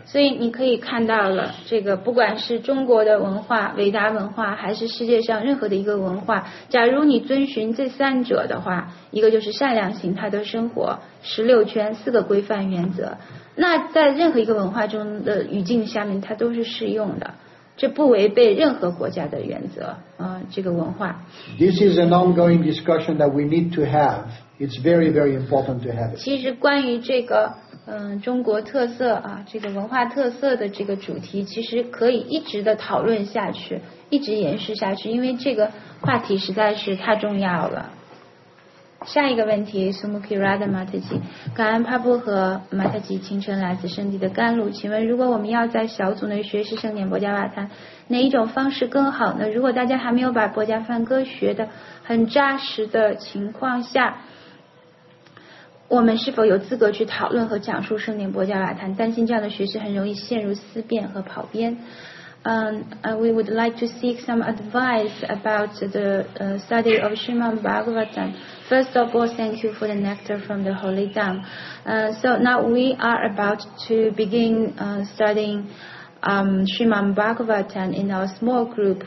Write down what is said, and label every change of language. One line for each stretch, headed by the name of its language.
Chinese: 所以你可以看到了，这个不管是中国的文化、维达文化，还是世界上任何的一个文化，假如你遵循这三者的话，一个就是善良形态的生活，十六圈四个规范原则，那在任何一个文化中的语境下面，它都是适用的，这不违背任何国家的原则，这个文化。
English: This is an ongoing discussion that we need to have. It's very, very important to have it.
Chinese: 其实关于这个。中国特色啊，这个文化特色的这个主题，其实可以一直的讨论下去，一直延续下去，因为这个话题实在是太重要了。下一个问题 ，Sumukhi Radha Mataji， 感恩帕布和 Mataji 清晨来自圣地的甘露，请问如果我们要在小组内学习圣典博迦瓦坦，哪一种方式更好呢？如果大家还没有把博迦梵歌学得很扎实的情况下。我们是否有资格去讨论和讲述圣典博迦瓦坦？担心这样的学习很容易陷入思辨和跑偏。
English: We would like to seek some advice about the study of Srimad Bhagavatam. First of all, thank you for the nectar from the holy dam. So now we are about to begin studying Srimad Bhagavatam in our small group.